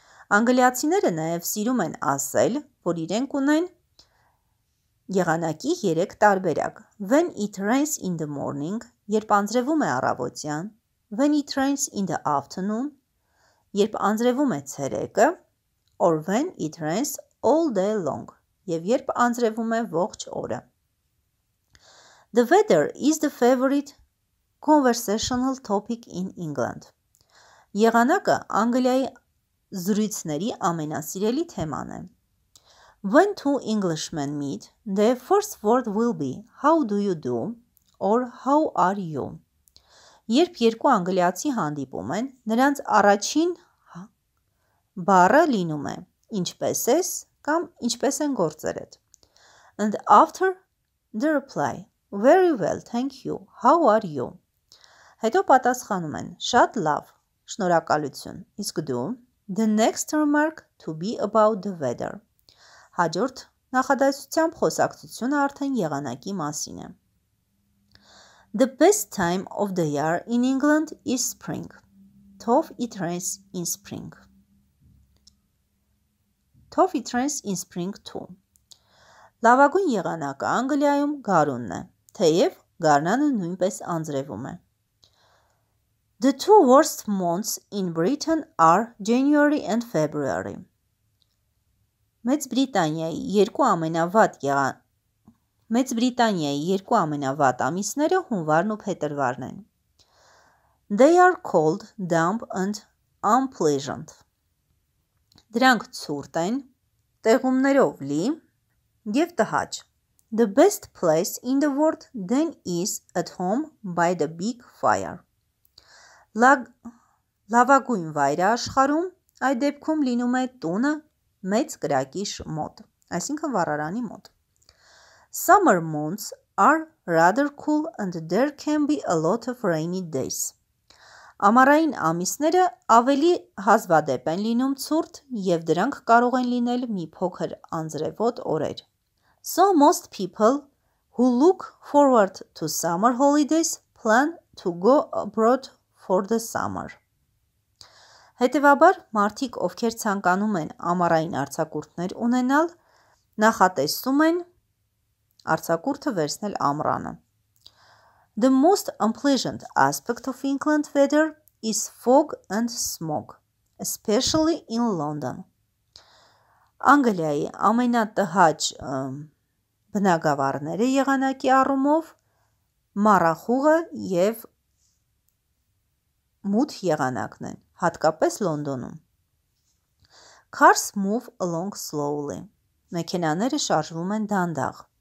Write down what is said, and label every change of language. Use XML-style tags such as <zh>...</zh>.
<hy>Անգլիացիները նաև սիրում են ասել, որ իրենք ունեն եղանակի 3 տարբերակ.</hy> <en>When it rains in the morning,</en> <hy>երբ անձրևում է առավոտյան,</hy> <en>when it rains in the afternoon,</en> <hy>երբ անձրևում է ցերեկը,</hy> <en>or when it rains all day long,</en> <hy>եւ երբ անձրևում է ողջ օրը.</hy> <en>The weather is the favorite conversational topic in England.</en> <hy>Եղանակը Անգլիայի զրույցների ամենասիրելի թեման է.</hy> <en>When two Englishmen meet, the first word will be how do you do or how are you.</en> <hy>Երբ երկու անգլիացի հանդիպում են, նրանց առաջին բառը լինում է ինչպես ես կամ ինչպես են գործերդ.</hy> <en>And after the reply, very well, thank you, how are you.</en> <hy>Հետո պատասխանում են, շատ լավ, շնորհակալություն, իսկ դու,</hy> <en>the next remark to be about the weather.</en> <hy>Հաջորդ նախադասությամբ խոսակցությունը արդեն եղանակի մասին է.</hy> <en>The best time of the year in England is spring. Թով it rains in spring. Թով it rains in spring too.</en> <hy>Լավագույն եղանակը Անգլիայում գարունն է, թեև գարնանը նույնպես անձրևում է.</hy> <en>The two worst months in Britain are January and February.</en> <hy>Մեծ Բրիտանիայի երկու ամենավատ ամիսները հունվարն ու փետրվարն են.</hy> <en>They are cold, damp and unpleasant.</en> <hy>Դրանք ցուրտ են, տեղումներով լի եւ տհաճ.</hy> <en>The best place in the world then is at home by the big fire.</en> <hy>Լավագույն վայրը աշխարհում այդ դեպքում լինում է տունը մեծ կրակի մոտ, այսինքն վառարանի մոտ.</hy> <en>Summer months are rather cool and there can be a lot of rainy days.</en> <hy>Ամառային ամիսները ավելի հազվադեպ են լինում ցուրտ եւ դրանք կարող են լինել մի փոքր անձրևոտ օրեր.</hy> <en>So most people who look forward to summer holidays plan to go abroad for the summer.</en> <hy>Հետևաբար մարդիկ, ովքեր ցանկանում են ամառային արձակուրդներ ունենալ, նախատեսում են արձակուրդը վերցնել ամռանը.</hy> <en>The most unpleasant aspect of England weather is fog and smog, especially in London.</en> <hy>Անգլիայի ամենատհաճ բնագավառները եղանակի առումով մառախուղը եւ մութ եղանակն են, հատկապես Լոնդոնում.</hy> <en>Cars move along slowly.</en> <hy>Մեքենաները շարժվում են դանդաղ.</hy>